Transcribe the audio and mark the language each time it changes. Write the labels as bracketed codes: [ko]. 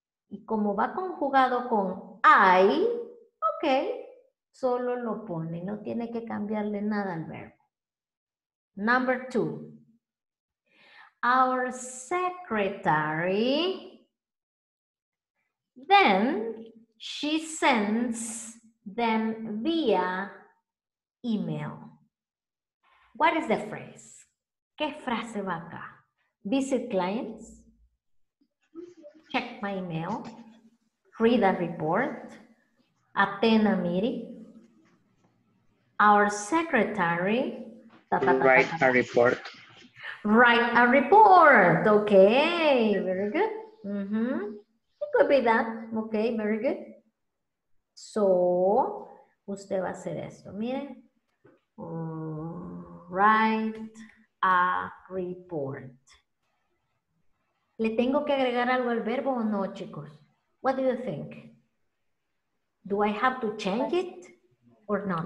[es] Y como va conjugado con I, okay, solo lo pone, no tiene que cambiarle nada al verbo. [en] Number two. Our secretary, then she sends them via email. What is the phrase? ¿Qué frase va acá? Visit clients, check my email, read a report, attend a meeting. Our secretary write a report. Write a report. Okay, very good. Mm-hmm. It could be that. Okay, very good. [es] So, usted va a hacer esto. Mire. [en] Write a report. [es] ¿Le tengo que agregar algo al verbo o no, chicos? [en] What do you think? Do I have to change it or not?